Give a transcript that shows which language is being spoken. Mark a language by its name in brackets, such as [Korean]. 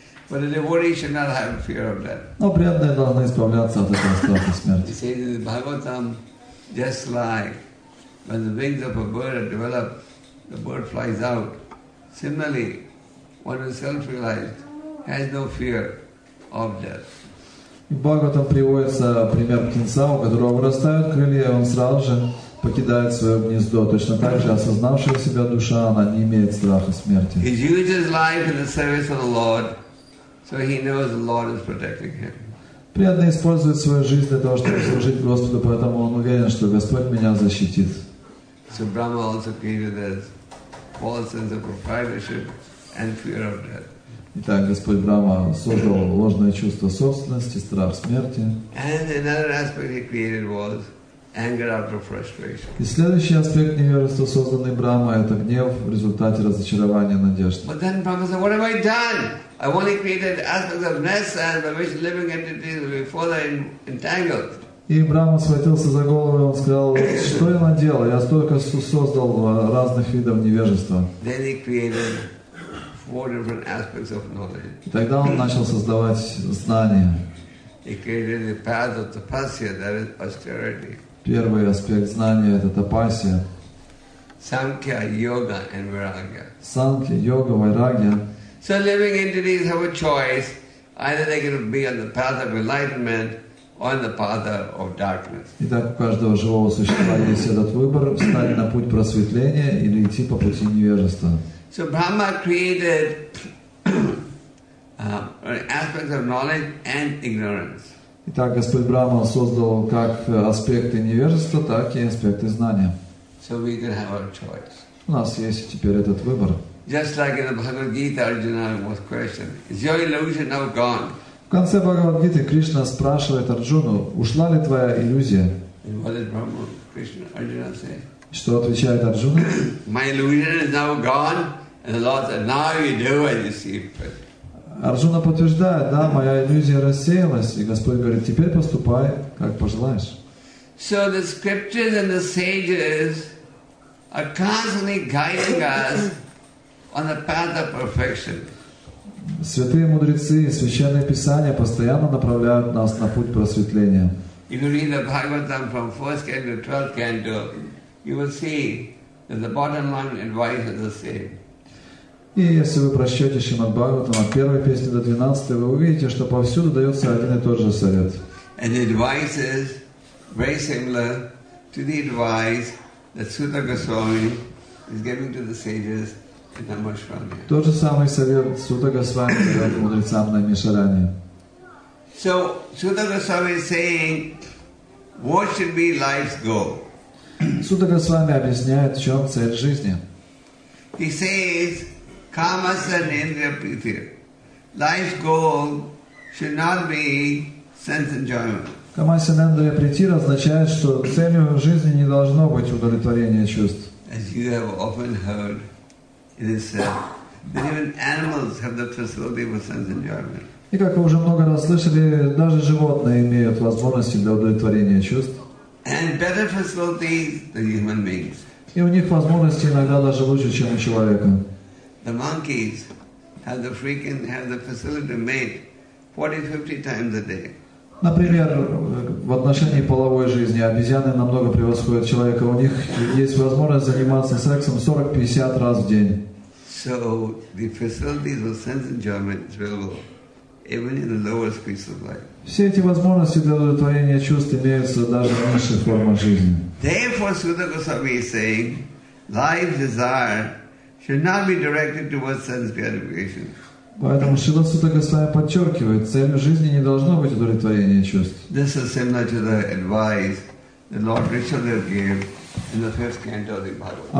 [English] But the devotee should not have fear of death. [Russian] Но преданный должен избавляться от этого страха смерти. [English] He says in the Bhagavatam, just like when the wings of a bird are developed, the bird flies out. Similarly, one who is self-realized has no fear of death. [Russian] И в Бхагаватам приводится пример птенца, у которого вырастают крылья, и он сразу же покидает свое гнездо. Точно так же осознавшая себя душа, она не имеет страха смерти. [English] He uses life in the service of the Lord, so he knows the Lord is protecting him. [Russian] Преданный использует свою жизнь для того, чтобы служить Господу, поэтому он уверен, что Господь меня защитит. [English] So Brahma also created this false sense of proprietorship and fear of death. [Russian] Итак, Господь Брама создал ложное чувство собственности, страх смерти. [English] And another aspect he created was anger after frustration. [Russian] И следующий аспект невежества, созданный Брама, это гнев в результате разочарования надежд. [English] But then Brahma said, what have I done? I only created aspects of Nessa by which living entities will be further entangled. [Russian] И Брама схватился за голову, и он сказал, что я наделал? Я столько создал разных видов невежества. [English] Then he created four different aspects of knowledge. [Russian] Тогда он начал создавать знания. [English] He created the path of tapasya, that is austerity. [Russian] Первый аспект знания – это тапасия. [English] Samkhya, yoga, and vairagya. [Sanskrit] Samkhya, yoga, vairagya. [English] So living entities have a choice: either they can be on the path of enlightenment or on the path of darkness. [Russian] Итак, у каждого живого существа есть этот выбор: встать на путь просветления или идти по пути невежества. [English] So Brahma created aspects of knowledge and ignorance. [Russian] Итак, Господь Брама создал как аспекты невежества, так и аспекты знания. [English] So we can have our choice. [Russian] У нас есть теперь этот выбор. [English] Just like in the Bhagavad Gita, Arjuna was questioned, "Is your illusion now gone?" [Russian] В конце Бхагавад Гиты Кришна спрашивает Арджуну, ушла ли твоя иллюзия? [English] And what did Brahma, Krishna, Arjuna say? [Russian] Что отвечает Арджуна? [English] My illusion is now gone, and the Lord said, "Now you do as you see fit." [Russian] Арджуна подтверждает, да, моя иллюзия рассеялась, и Господь говорит, теперь поступай, как пожелаешь. [English] So the scriptures and the sages are constantly guiding us on the path of perfection. [Russian] Святые мудрецы и священные писания постоянно направляют нас на путь просветления. [English] If you read the Bhagavatam from 1st canto to 12th canto, you will see that the bottom line advice is the same. [Russian] И если вы прочтете Шримад Бхагаватам от первой песни до 12, вы увидите, что повсюду дается один и тот же совет. [English] And the advice is very similar to the advice that Sutta Goswami is giving to the sages in Namashwami. [Russian] Тот же самый совет Сутта Госвами дает мудрецам на Намишаране. [English] So Sutta Goswami is saying, what should be life's goal? [Russian] Сутта Госвами объясняет, в чем цель жизни. [English] He says, Kamasa Nendriya Pritir. Life's goal should not be sense enjoyment. [Sanskrit] Kamasa Nendriya Pritir [Russian] означает, что целью жизни не должно быть удовлетворение чувств. [English] As you have often heard, it is said that even animals have the facility for sense enjoyment. [Russian] И как вы уже много раз слышали, даже животные имеют возможности для удовлетворения чувств. [English] And better facilities than human beings. [Russian] И у них возможности иногда даже лучше, чем у человека. [English] The monkeys have the facility to mate 40-50 times a day. [Russian] Например, в отношении половой жизни обезьяны намного превосходят человека. У них есть возможность заниматься сексом 40-50 раз в день. [English] So the facilities of sense enjoyment is available even in the lowest piece of life. [Russian] Все эти возможности для удовлетворения чувств имеются даже в низших формах жизни. [English] Therefore, Sutta Goswami is saying, life desire should not be directed towards sense gratification. [Russian] Поэтому Шрила Сутта Госвами подчеркивает, целью жизни не должно быть удовлетворение чувств. [English] This is similar to the advice that Lord Rishabhadev gave in the fifth canto of the Bhagavatam.